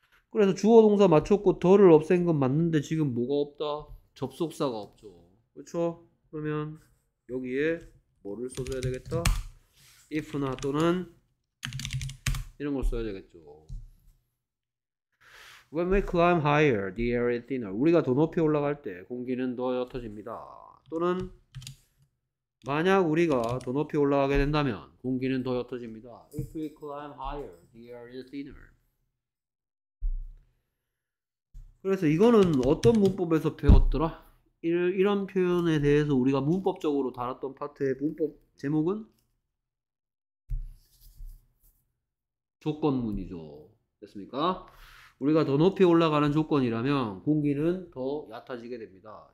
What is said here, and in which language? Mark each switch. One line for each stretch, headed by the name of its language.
Korean: 그래서 주어 동사 맞췄고 더를 없앤 건 맞는데 지금 뭐가 없다? 접속사가 없죠. 그렇죠? 그러면 여기에 뭐를 써줘야 되겠다? if나 또는 이런 걸 써야 되겠죠.
English: When we climb higher, the air is thinner.
Korean: 우리가 더 높이 올라갈 때 공기는 더 옅어집니다. 또는 만약 우리가 더 높이 올라가게 된다면 공기는 더 옅어집니다.
English: If we climb higher, the air is thinner.
Korean: 그래서 이거는 어떤 문법에서 배웠더라? 이런 표현에 대해서 우리가 문법적으로 다뤘던 파트의 문법 제목은 조건문이죠. 됐습니까? 우리가 더 높이 올라가는 조건이라면 공기는 더 얕아지게 됩니다.